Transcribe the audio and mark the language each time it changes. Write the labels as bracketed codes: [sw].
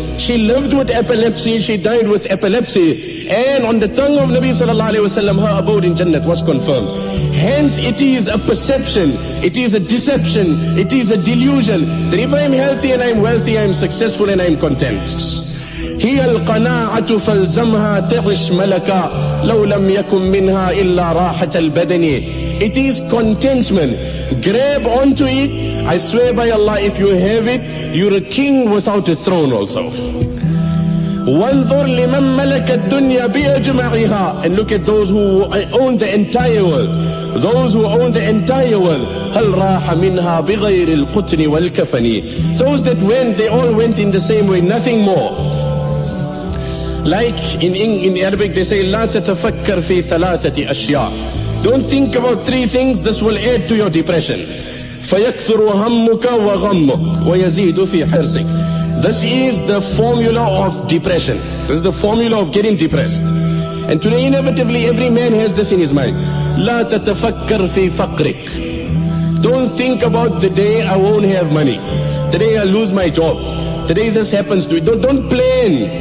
[en] She lived with epilepsy, she died with epilepsy. And on the tongue of Nabi sallallahu alayhi wa sallam, her abode in Jannah was confirmed. Hence it is a perception, it is a deception, it is a delusion that if I am healthy and I am wealthy, I am successful and I am content. [ar] هي القناعة فلزمها تعش ملكا لو لم يكن منها إلا راحة البدن. [en] It is contentment. Grab onto it. I swear by Allah, if you have it, you're a king without a throne also. [ar] وانظر لمن ملك الدنيا بأجمعها. [en] And look at those who own the entire world. Those who own the entire world. [ar] هل راح منها بغير القطن والكفن. [en] Those that went, they all went in the same way, nothing more. Like in Arabic they say, [ar] لا تتفكر في ثلاثة أشياء. [en] Don't think about 3 things, this will add to your depression. [ar] فيكثر همك وغمك ويزيد في حرصك. [en] This is the formula of depression. This is the formula of getting depressed. And today, inevitably, every man has this in his mind. [ar] لا تتفكر في فقرك. [en] Don't think about the day I won't have money. Today I lose my job. Today this happens to me. Don't plan.